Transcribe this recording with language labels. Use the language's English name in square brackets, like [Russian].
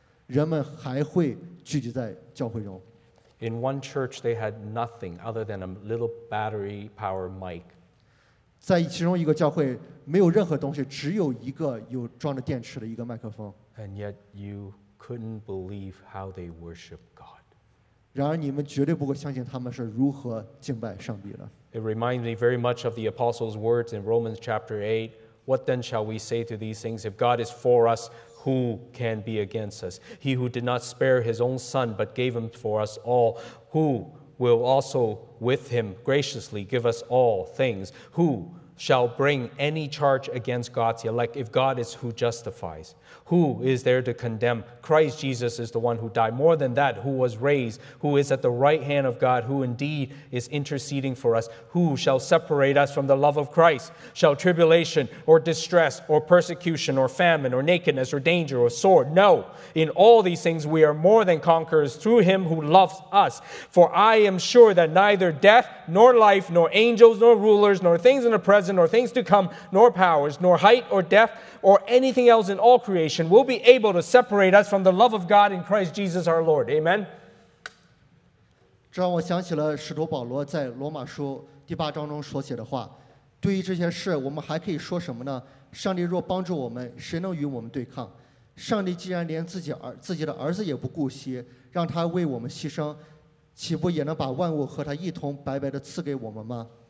[Chinese] 人们还会聚集在教会中。 [English] In one church, they had nothing other than a little battery-powered mic. [Chinese] 在其中一个教会没有任何东西，只有一个有装着电池的一个麦克风。 [English] And yet you couldn't believe how they worship God. [Chinese] 然而你们绝对不会相信他们是如何敬拜上帝的。 [English] It reminds me very much of the apostles' words in Romans chapter 8. What then shall we say to these things? If God is for us, who can be against us? He who did not spare his own son, but gave him for us all, who? Will also with him graciously give us all things. Who shall bring any charge against God's elect? If God is who justifies, who is there to condemn? Christ Jesus is the one who died. More than that, who was raised, who is at the right hand of God, who indeed is interceding for us. Who shall separate us from the love of Christ? Shall tribulation or distress or persecution or famine or nakedness or danger or sword? No, in all these things we are more than conquerors through him who loves us. For I am sure that neither death nor life nor angels nor rulers nor things in the present nor things to come nor powers nor height or depth or anything else in all creation will be able to separate us from the love of God in Christ Jesus our Lord. Amen. [Chinese] 这让我想起了使徒保罗在罗马书第八章中所写的话。对于这些事，我们还可以说什么呢？上帝若帮助我们，谁能与我们对抗？上帝既然连自己的儿子也不顾惜，让他为我们牺牲，岂不也能把万物和他一同白白的赐给我们吗？